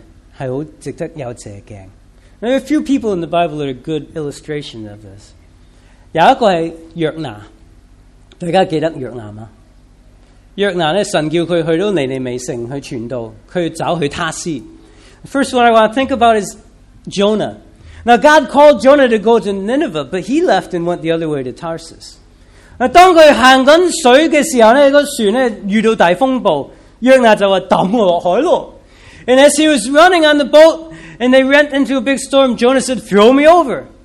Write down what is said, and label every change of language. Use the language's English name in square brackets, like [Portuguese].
[Chinese] 我想圣经里面另外有些人是很值得有借镜。 [English] There are a few people in the Bible that are a good illustration of this. [Chinese] 有一个是约拿，大家记得约拿吗？约拿神叫他去到尼尼微城去传道，他要走去他斯。 [English] The first one I want to think about is Jonah. Now God called Jonah to go to Nineveh, but he left and went the other way to Tarsus. [Chinese] 当他行水的时候，那个船遇到大风暴，约拿就说，等我下海咯。 [English] And as he was running on the boat, and they went into a big storm, Jonah said, throw me over.